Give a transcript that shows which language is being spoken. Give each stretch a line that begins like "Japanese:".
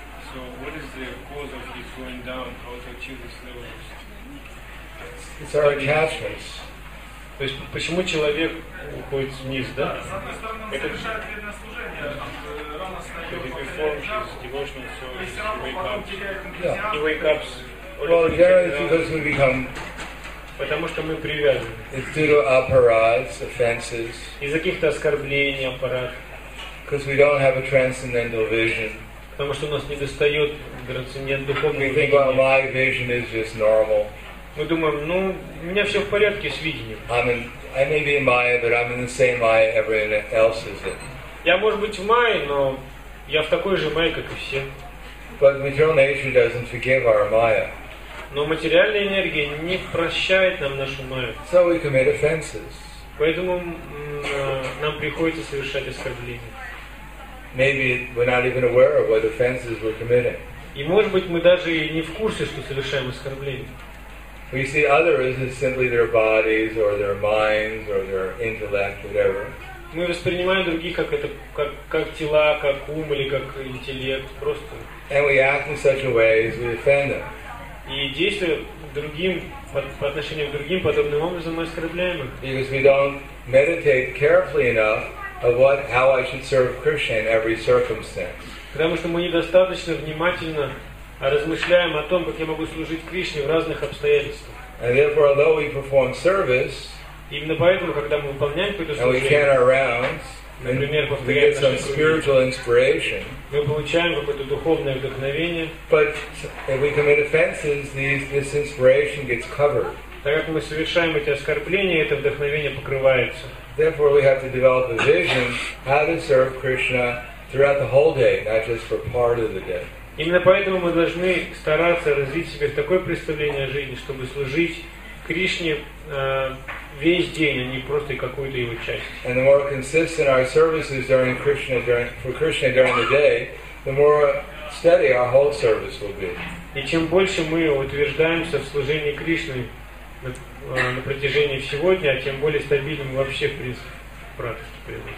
English: So what is the cause of his going down, how to achieve this level? It's our attachments.
Russian: То есть почему человек уходит вниз, да? С одной стороны, он совершает преданное служение, рано встает, он теряет энтузиазм.
English: Well, generally, it's because we become.
Russian: Потому что мы привязаны.
English: It's due to aparads, offenses.
Russian: Из-за каких-то оскорблений, аппарат.
English: Because we don't have a transcendental vision.
Russian: Потому что у нас недостает трансцендентного духовного видения.
English: We think my vision is just normal.
Russian: Мы думаем, ну, у меня все в порядке с видением.
English: I may be Maya, but I'm in the same Maya everyone else is in.
Russian: Я может быть в Maya, но я в такой же Maya, как и все.
English: But material nature doesn't forgive our Maya.
Russian: Но материальная энергия не прощает нам нашу Майю.
English: So we commit offenses.
Russian: Поэтому нам приходится совершать оскорбления.
English: Maybe we're not even aware of what offenses we're committing.
Russian: И может быть мы даже и не в курсе, что совершаем оскорбления.
English: We see others as simply their bodies or their minds or their intellect, whatever.
Russian: Мы воспринимаем других как это, как тела, как ум или как интеллект, просто.
English: And we act in such a way as we offend them.
Russian: И действуя другим, по отношению к другим, подобным образом мы оскорбляем их.
English: Because we don't meditate carefully enough of what, how I should serve Krishna in every circumstance.
Russian: Потому что мы недостаточно внимательно размышляем о том, как я могу служить Кришне в разных обстоятельствах.
English: And therefore, although we perform service,
Russian: именно поэтому, когда мы выполняем какое-то служение,
English: and we can our rounds,
Russian: например,
English: we get some spiritual inspiration.
Russian: Мы получаем какое-то духовное вдохновение.
English: But if we commit offenses, this inspiration gets covered.
Russian: Так как мы совершаем эти оскорбления, это вдохновение покрывается.
English: Therefore, we have to develop a vision how to serve Krishna throughout the whole day, not just for part of the day.
Russian: Именно поэтому мы должны стараться развить себе такое представление о жизни, чтобы служить Кришне весь день, а не просто какую-то его часть.
English: And the more consistent our service is during Krishna, for Krishna during the day, the more steady our whole service will be.
Russian: И чем больше мы утверждаемся в служении Кришне на протяжении всего дня, тем более стабильным вообще в принципе в практике приносит.